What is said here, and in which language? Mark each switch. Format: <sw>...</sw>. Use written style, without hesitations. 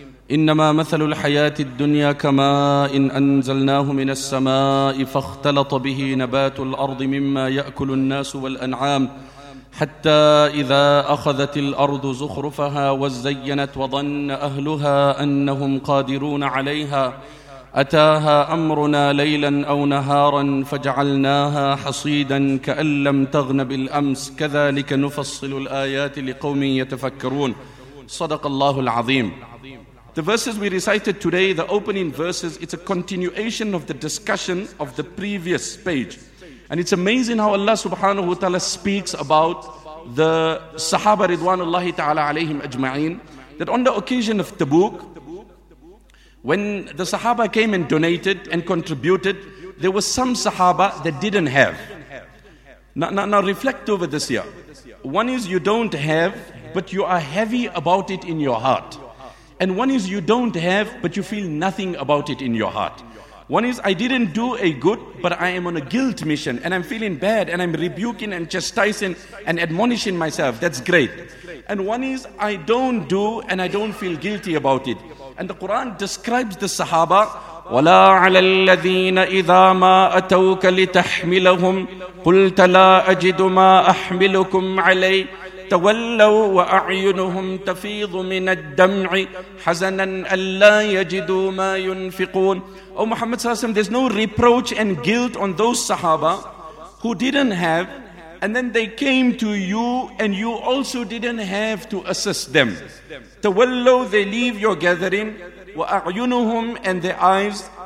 <ar>إنما مثل الحياة الدنيا كما إن أنزلناه من السماء فاختلط به نبات الأرض مما يأكل الناس والأنعام حتى إذا أخذت الأرض زخرفها وزينت وظن أهلها أنهم قادرون عليها أتاها أمرنا ليلا أو نهارا فجعلناها حصيدا كأن لم تغن بالأمس كذلك نفصل الآيات لقوم يتفكرون صدق الله العظيم.</ar> <en>The verses we recited today, the opening verses, it's a continuation of the discussion of the previous page. And it's amazing how Allah subhanahu wa ta'ala speaks about the Sahaba ridwanullahi ta'ala alayhim ajma'in, that on the occasion of Tabuk, when the Sahaba came and donated and contributed, there was some Sahaba that didn't have. Now reflect over this here. One is you don't have, but you are heavy about it in your heart. And one is you don't have, but you feel nothing about it in your heart. One is, I didn't do a good, but I am on a guilt mission, and I'm feeling bad, and I'm rebuking and chastising and admonishing myself. That's great. And one is, I don't do, and I don't feel guilty about it. And the Quran describes the Sahaba,</en> <ar>وَلَا عَلَى الَّذِينَ إِذَا مَا أَتَوْكَ لِتَحْمِلَهُمْ قُلْتَ لَا أَجِدُ مَا أَحْمِلُكُمْ عَلَيْهِ تولوا وأعينهم تفيض من الدمع حزنا ألا يجدوا ما ينفقون.</ar> <en>Oh Muhammad sallallahu alaihi wasallam, there's no reproach and guilt on those Sahaba who didn't have, and then they came to you and you also didn't have to assist them. تولوا, they leave your gathering. وأعينهم, and their eyes.</en>